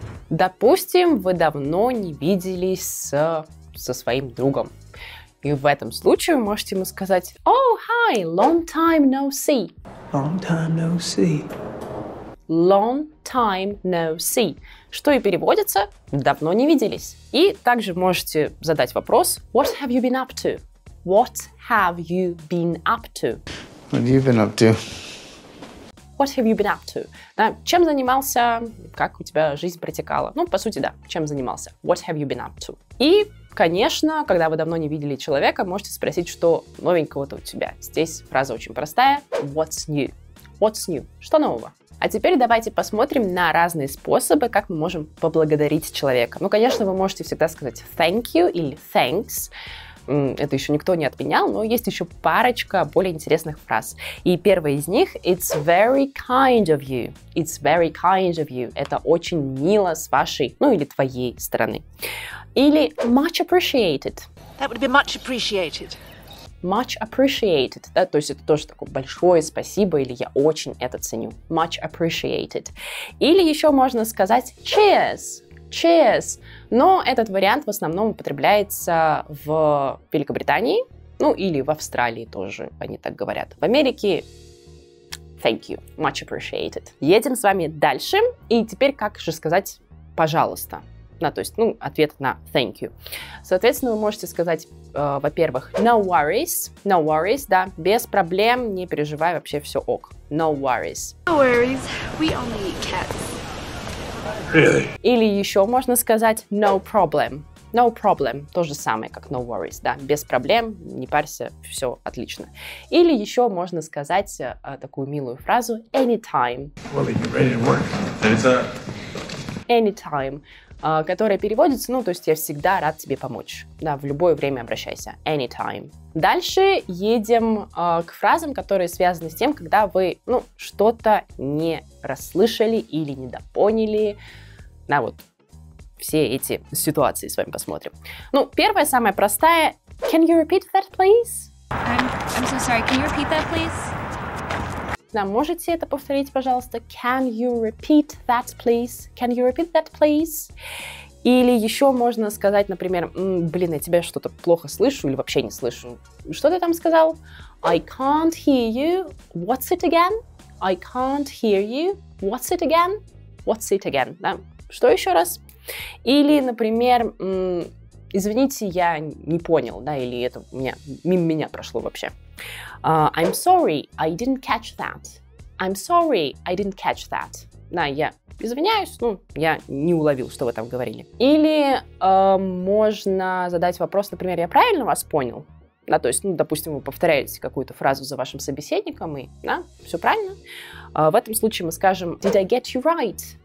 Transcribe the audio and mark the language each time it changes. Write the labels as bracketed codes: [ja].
[ru] Допустим, вы давно не виделись со своим другом. И в этом случае вы можете ему сказать [en] Oh, hi! Long time no see! Long time no see! Long time no see! [ru] Что и переводится «давно не виделись». И также можете задать вопрос [en] What have you been up to? What have you been up to? What have you been up to? What have you been up to? [ru] Да, чем занимался? Как у тебя жизнь протекала? По сути, чем занимался? [en] What have you been up to? [ru] И, конечно, когда вы давно не видели человека, можете спросить, что новенького-то у тебя. Здесь фраза очень простая. [en] What's new? What's new? [ru] Что нового? А теперь давайте посмотрим на разные способы, как мы можем поблагодарить человека. Конечно, вы можете всегда сказать [en] thank you [ru] или thanks. Это еще никто не отменял, но есть еще парочка более интересных фраз. И первая из них – [en] it's very kind of you. It's very kind of you. [ru] Это очень мило с вашей, или твоей стороны. Или [en] much appreciated. That would be much appreciated. much appreciated, [ru] да, то есть это тоже такое большое спасибо, или я очень это ценю, [en] much appreciated. [ru] Или еще можно сказать [en] cheers, cheers, [ru] но этот вариант в основном употребляется в Великобритании, ну или в Австралии тоже, они так говорят, в Америке [en] thank you, much appreciated. [ru] Едем с вами дальше, и теперь как же сказать пожалуйста? На, то есть, ну, ответ на [en] thank you. [ru] Соответственно, вы можете сказать, во-первых, [en] no worries, no worries, [ru] да, без проблем, не переживай, вообще все ок. [en] No worries. No worries, we only eat cats. [ru] Или еще можно сказать [en] no problem. No problem, [ru] то же самое, как [en] no worries, [ru] да, без проблем, не парься, все отлично. Или еще можно сказать такую милую фразу anytime. [en] Well, are you ready to work? Anytime. [ru] Которая переводится, ну, то есть я всегда рад тебе помочь. Да, в любое время обращайся. [en] Anytime. [ru] Дальше едем к фразам, которые связаны с тем, когда вы, ну, что-то не расслышали или недопоняли. На вот все эти ситуации с вами посмотрим. Ну, первая, самая простая. [en] Can you repeat that, please? I'm so sorry. Can you repeat that, please? [ru] Да, можете это повторить, пожалуйста? [en] Can you repeat that, please? Can you repeat that, please? [ru] Или еще можно сказать, например, блин, я тебя что-то плохо слышу или вообще не слышу. Что ты там сказал? [en] I can't hear you. What's it again? I can't hear you. What's it again? What's it again? [ru] Да. Что еще раз? Или, например, извините, я не понял, да, или это у меня, мимо меня прошло вообще. [en] I'm sorry, I didn't catch that. I'm sorry, I didn't catch that. [ru] Да, я извиняюсь, ну, я не уловил, что вы там говорили. Или можно задать вопрос, например, я правильно вас понял? Да, то есть, ну, допустим, вы повторяете какую-то фразу за вашим собеседником, и, да, все правильно. В этом случае мы скажем, [en] did I get you right?